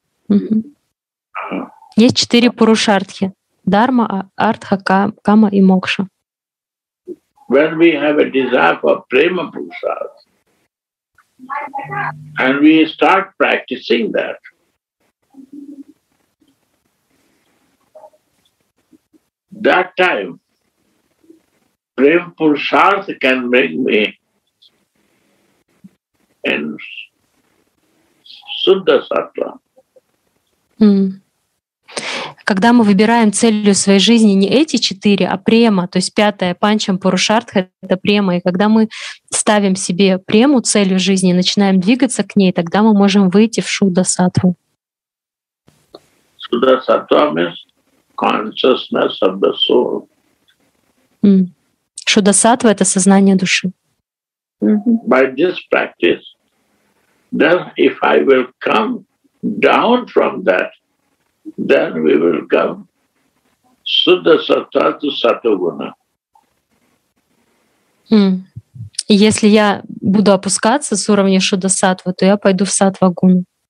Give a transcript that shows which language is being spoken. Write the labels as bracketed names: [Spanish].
[Russian] Есть четыре пурушартхи. Дарма, артха, кама и мокша. [English] When we have a desire for prema purusharth, and we start practicing that, that time Prem Purusharth can bring me in Shuddha Sattva. [Russian] Когда мы выбираем целью своей жизни не эти четыре, а према, то есть пятая, панчам, пурушартха, это према, и когда мы ставим себе прему, целью жизни, начинаем двигаться к ней, тогда мы можем выйти в шуддасатву. [English] Шуддасатва means consciousness of the soul. [Russian] Шуддасатва — это сознание души. [English] By this practice, then if I will come down from that, then we will come Shuddha Sattva to Sattva-guna. [Russian] Если я буду опускаться с уровня Shuddha Sattva, то я пойду в Sattva-guna.